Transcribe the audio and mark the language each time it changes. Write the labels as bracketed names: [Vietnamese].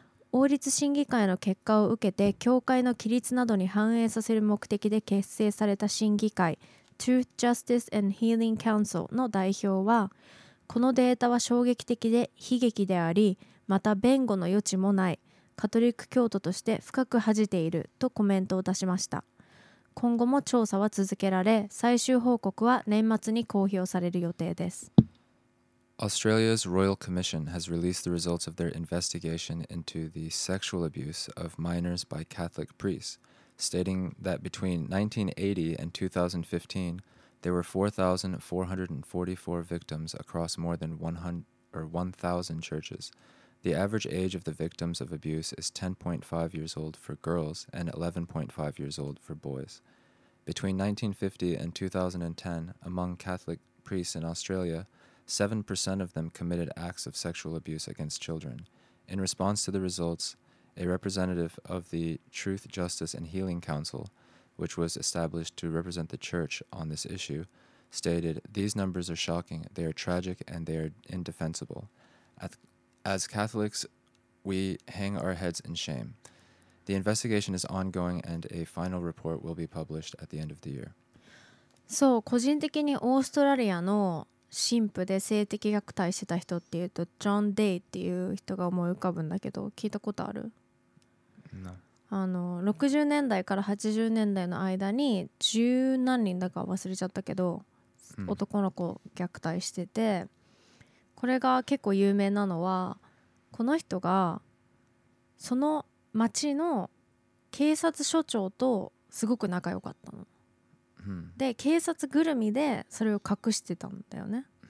[Japanese] 王立審議会の結果を受けて教会の規律などに反映させる目的で結成された審議会 Truth Justice and Healing Council の代表は、このデータは衝撃的で悲劇であり、また弁護の余地もない、カトリック教徒として深く恥じているとコメントを出しました。今後も調査は続けられ、最終報告は年末に公表される予定です。 [English] Australia's Royal Commission has released the results of their investigation into the sexual abuse of minors by Catholic priests, stating that between 1980 and 2015, there were 4,444 victims across more than 1,000 churches. The average age of the victims of abuse is 10.5 years old for girls and 11.5 years old for boys. Between 1950 and 2010, among Catholic priests in Australia, 7% of them committed acts of sexual abuse against children. In response to the results, a representative of the Truth, Justice, and Healing Council, which was established to represent the church on this issue, stated, "These numbers are shocking, they are tragic, and they are indefensible. As Catholics, we hang our heads in shame." The investigation is ongoing and a final report will be published at the end of the year. [Japanese] そう、個人的にオーストラリアの神父で性的虐待してた人っていうとジョン・デイっていう人が思い浮かぶんだけど、聞いたことある？ [English] No. [Japanese] あの、60年代から80年代の間に十何人だか忘れちゃったけど、男の子虐待してて、これが結構有名なのは、この人がその町の警察署長とすごく仲良かったの。で、警察ぐるみでそれを隠してたんだよね。